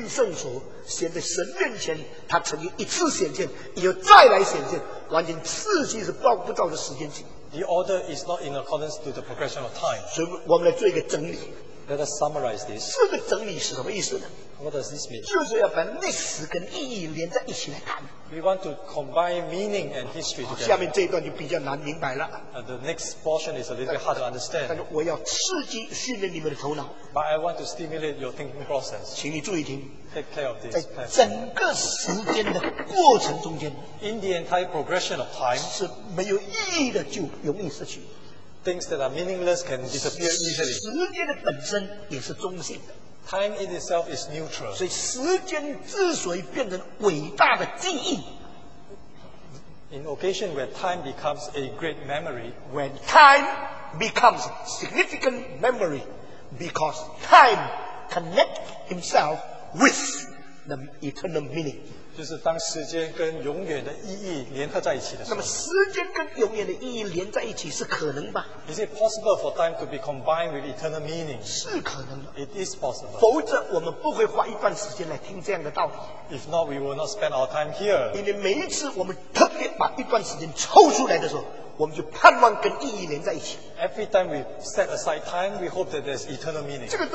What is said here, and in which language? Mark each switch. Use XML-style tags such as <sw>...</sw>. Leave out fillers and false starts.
<zh>乃是照着这个先进圣所先在神面前, 他曾经一次显现, 又再来显现, 完全次序是不照着时间性。</zh> <en>The order is not in accordance to the progression of time.</en> <zh>所以我们来做一个整理。</zh> <en>Let us summarize this.</en> <zh>这个整理是什么意思呢?</zh> <en>What does this mean?</en> <zh>就是要把历史跟意义连在一起来谈。</zh> <en>We want to combine meaning and history together.</en> <zh>下面这一段就比较难明白了。</zh> <en>The next portion is a little bit hard to understand.</en> <zh>但是我要刺激训练你们的头脑。</zh> <en>But I want to stimulate your thinking process.</en> <zh>请你注意听。</zh> <en>Take care of this.</en> <zh>在整个时间的过程中间,</zh> <en>in the entire progression of time,</en> <zh>是没有意义的就容易失去。</zh> <en>Things that are meaningless can disappear easily.</en> <zh>时间的本身也是中性的。</zh> <en>Time in itself is neutral.</en> <zh>所以时间之所以变成伟大的记忆,</zh> <en>in occasion where time becomes a great memory, when time becomes significant memory, because time connects himself with the eternal meaning.</en> <zh>就是当时间跟永远的意义联合在一起的时候, 那么时间跟永远的意义连在一起是可能吧?</zh> <en>Is it possible for time to be combined with eternal meaning?</en> <zh>是可能的,</zh> <en>it is possible.</en> <zh>否则我们不会花一段时间来听这样的道理。</zh> <en>If not, we will not spend our time here.</en> <zh>因为每一次我们特别把一段时间抽出来的时候, 我们就盼望跟意义连在一起。</zh> <en>Every time we set aside time, we hope that there's eternal meaning.</en>